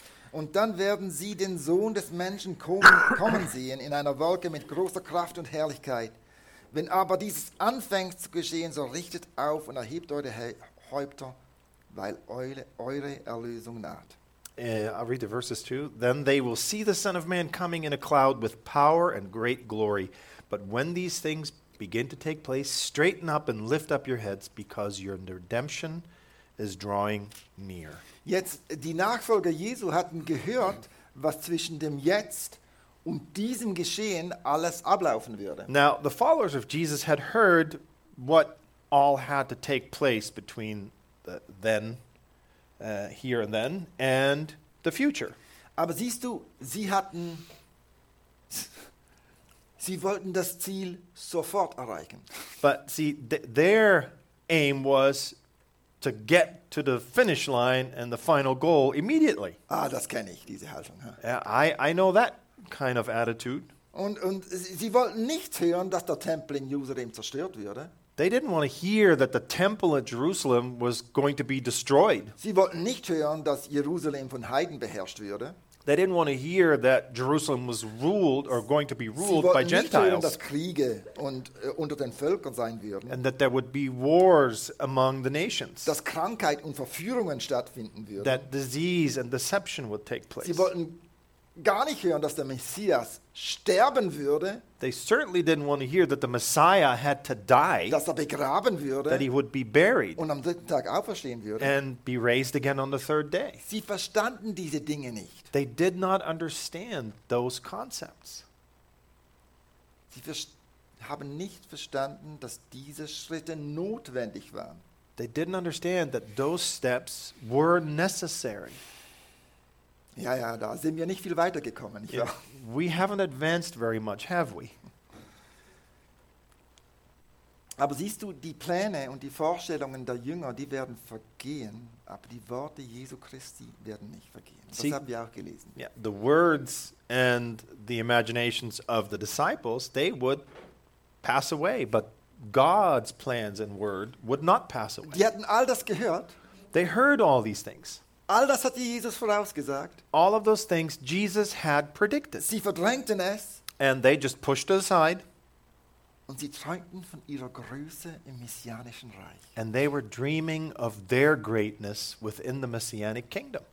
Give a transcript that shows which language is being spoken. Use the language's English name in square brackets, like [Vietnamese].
[German] Und dann werden sie den Sohn des Menschen kommen sehen in einer Wolke mit großer Kraft und Herrlichkeit. Wenn aber dieses anfängt zu geschehen, so richtet auf und erhebt eure Häupter, weil eure Erlösung naht. [English] I'll read the verses too. Then they will see the Son of Man coming in a cloud with power and great glory. But when these things begin to take place, straighten up and lift up your heads, because your redemption is drawing near. [German] Jetzt, die Nachfolger Jesu hatten gehört, was zwischen dem Jetzt und diesem Geschehen alles ablaufen würde. [English] Now, the followers of Jesus had heard what all had to take place between the then, here and then, and the future. [German] Aber siehst du, sie wollten das Ziel sofort erreichen. [English] But see, their aim was to get to the finish line and the final goal immediately. [German] Ah, das kenne ich, diese Haltung. Ja, [English] I know that kind of attitude. [German] Und sie wollten nicht hören, dass der Tempel in Jerusalem zerstört würde. [English] They didn't want to hear that the temple at Jerusalem was going to be destroyed. [German] Sie wollten nicht hören, dass Jerusalem von Heiden beherrscht würde. [English] They didn't want to hear that Jerusalem was ruled or going to be ruled by Gentiles. [German] Sie wollten nicht hören, dass Kriege und unter den Völkern sein würden. [English] And that there would be wars among the nations. [German] Dass Krankheit und Verführungen stattfinden würden. [English] That disease and deception would take place. [German] Sie wollten gar nicht hören, dass der Messias sterben würde. [English] They certainly didn't want to hear that the Messiah had to die. [German] Dass er begraben würde. [English] That he would be buried. [German] Und am dritten Tag auferstehen würde. [English] And be raised again on the third day. [German] Sie verstanden diese Dinge nicht. [English] They did not understand those concepts. [German] Sie haben nicht verstanden, dass diese Schritte notwendig waren. [English] They didn't understand that those steps were necessary. [German] Ja, ja, da sind wir nicht viel weitergekommen. Ja. [English] We haven't advanced very much, have we? [German] Aber siehst du, die Pläne und die Vorstellungen der Jünger, die werden vergehen, aber die Worte Jesu Christi werden nicht vergehen. Das haben wir auch gelesen. [English] Yeah, the words and the imaginations of the disciples, they would pass away, but God's plans and word would not pass away. [German] Die hatten all das gehört. [English] They heard all these things. [German] All das hatte Jesus vorausgesagt. [English] All of those things Jesus had predicted. [German] Sie verdrängten es. [English] And they just pushed it aside. [German] Und sie träumten von ihrer Größe im messianischen Reich. [English] And they were dreaming of their greatness within the messianic kingdom.